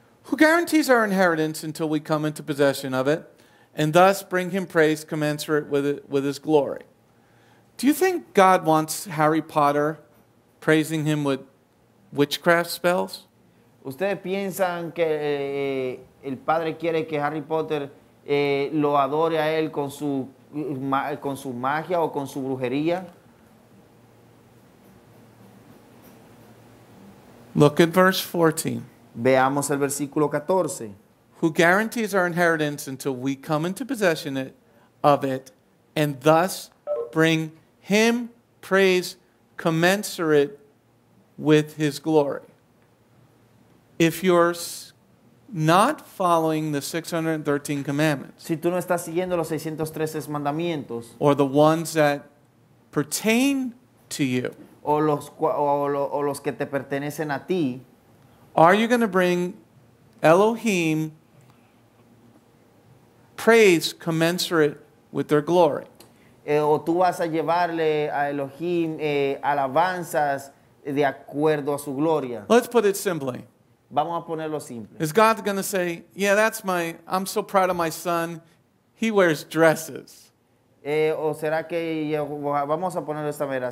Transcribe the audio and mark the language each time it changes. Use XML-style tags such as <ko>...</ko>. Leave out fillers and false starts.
<en>Who guarantees our inheritance until we come into possession of it, and thus bring him praise commensurate with his glory. Do you think God wants Harry Potter praising him with witchcraft spells?</en> <es>¿Ustedes piensan que el Padre quiere que Harry Potter... lo adore a él con su magia o con su brujería?</es> <en>Look at verse 14.</en> <es>Veamos el versículo 14.</es> <en>Who guarantees our inheritance until we come into possession of it and thus bring him praise commensurate with his glory. If you're not following the 613 commandments,</en> <es>si tú no estás siguiendo los 613 mandamientos,</es> <en>or the ones that pertain to you,</en> <es>o los que te pertenecen a ti,</es> <en>are you going to bring Elohim praise commensurate with their glory?</en> <es>O tú vas a llevarle a Elohim alabanzas de acuerdo a su gloria.</es> <en>Let's put it simply.</en> <es>Vamos a ponerlo simple.</es> <en>Is God going to say, yeah, I'm so proud of my son. He wears dresses.</en> <es>O será que Yehovah, vamos a ponerlo de esta manera.</es>